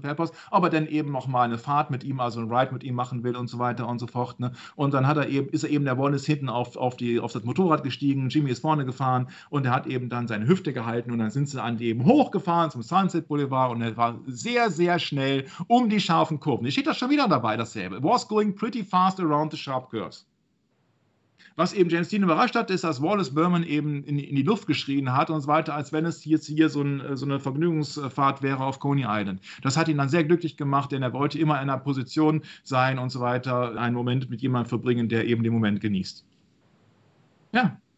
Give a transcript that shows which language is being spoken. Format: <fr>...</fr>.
<de>Pepper's, aber dann eben noch mal eine Fahrt mit ihm, also ein Ride mit ihm machen will und so weiter und so fort. Ne. Und dann hat er eben, ist er eben der Wallace hinten auf das Motorrad gestiegen, Jimmy ist vorne gefahren und er hat eben dann seine Hüfte gehalten und dann sind sie dann eben hochgefahren zum Sunset Boulevard und er war sehr, sehr schnell um die scharfen Kurven. Hier steht das schon wieder dabei, dasselbe.</de> <en>It was going pretty fast around the sharp curves.</en> <de>Was eben James Dean überrascht hat, ist, dass Wallace Böhmen eben in die Luft geschrien hat und so weiter, als wenn es jetzt hier so eine Vergnügungsfahrt wäre auf Coney Island. Das hat ihn dann sehr glücklich gemacht, denn er wollte immer in einer Position sein und so weiter, einen Moment mit jemandem verbringen, der eben den Moment genießt. Ja.</de>